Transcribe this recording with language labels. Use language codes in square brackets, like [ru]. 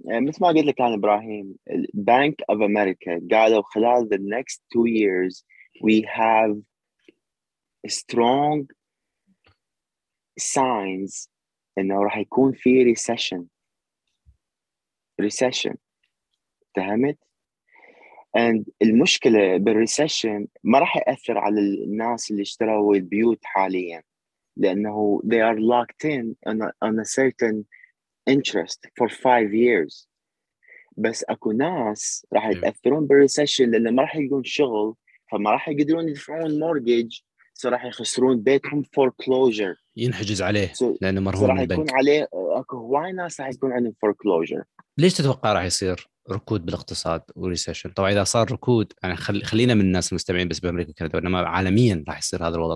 [ar] مثل ما قلت لك انا ابراهيم، البنك اوف امريكا قالوا خلال the next 2 years we have strong signs انه راح يكون في ريسيشن. تهمت؟ and المشكله بالريسيشن ما راح ياثر على الناس اللي اشتروا البيوت حاليا، [en] لأنه they are locked in on a certain interest for 5 years. [ar] بس أكو ناس راح يتأثرون بالريسيشن لأنه ما راح يلقون شغل, فما راح يقدرون يدفعون مورجيج, صراحة يخسرون بيتهم فوركلوجر, ينحجز عليه لأنه مرهون صراحة يكون عليه. أكو هواي ناس راح يكون عندهم فوركلوجر. ليش تتوقع راح يصير ركود بالاقتصاد وريسيشن؟ طبعا إذا صار ركود يعني خلينا من الناس المستمعين بس بأمريكا وكندا, وإنما عالميا راح يصير هذا الوضع.